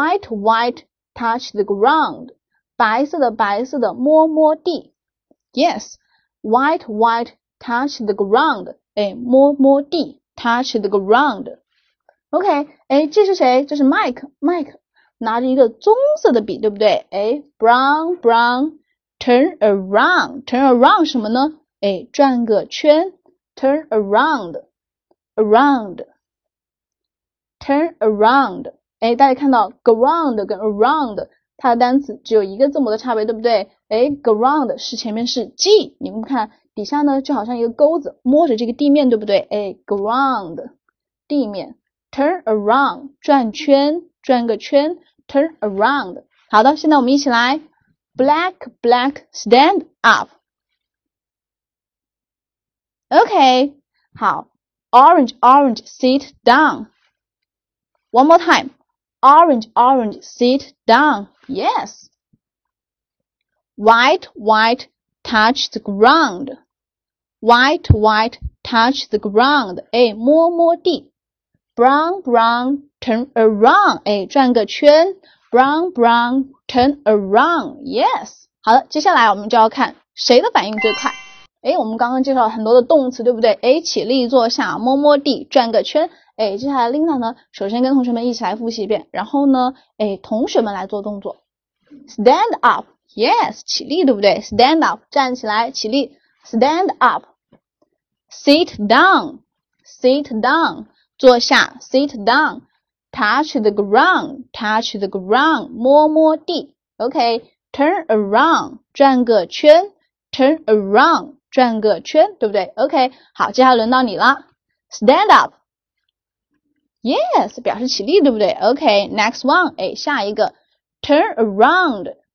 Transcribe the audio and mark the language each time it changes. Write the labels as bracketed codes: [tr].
[en] white, touch the ground, [zh] 白色的白色的摸摸地 [en] ,yes,white,white,touch white, touch the ground, [zh] 哎摸摸地 [en] ,touch the ground,OK,、okay, [zh] 哎这是谁这是 [en] Mike,Mike, [zh] 拿着一个棕色的笔，对不对？ [en] 哎 ，brown brown， turn around， turn around [zh] 什么呢？哎，转个圈， [en] turn around， around， turn around。 [zh] 哎，大家看到 ground 跟 around 它的单词只有一个字母的差别，对不对？哎 ，ground 是前面是 g， 你们看底下呢就好像一个钩子，摸着这个地面，对不对？哎 ，ground， 地面 ， [en] turn around， [zh] 转圈。转个圈 [en] turn around [zh] 好的现在我们一起来 [en] black black stand up OK 好 orange orange sit down one more time orange orange sit down yes white white touch the ground white white touch the ground [zh] 哎，摸摸地 [en] brown brownTurn around, [zh] 哎，转个圈 [en] ,brown, brown, turn around, yes. [zh] 好了接下来我们就要看谁的反应最快。哎，我们刚刚介绍了很多的动词对不对哎，起立坐下摸摸地转个圈。哎，接下来 Linda 呢首先跟同学们一起来复习一遍然后呢哎，同学们来做动作。 [en] Stand up, yes, [zh] 起立对不对 [en] ?Stand up, [zh] 站起来起立 [en] ,stand up, sit down, sit down, 坐下 ,sit down,Touch the ground, touch the ground, [zh] 摸摸地 [en] OK, turn around, 转个圈 turn around, [zh] 转个圈对不对 [en] OK, [zh] 好接下来轮到你了 [en] Stand up, yes, [zh] 表示起立对不对 [en] OK, next one, [zh] 哎，下一个 [en] turn around,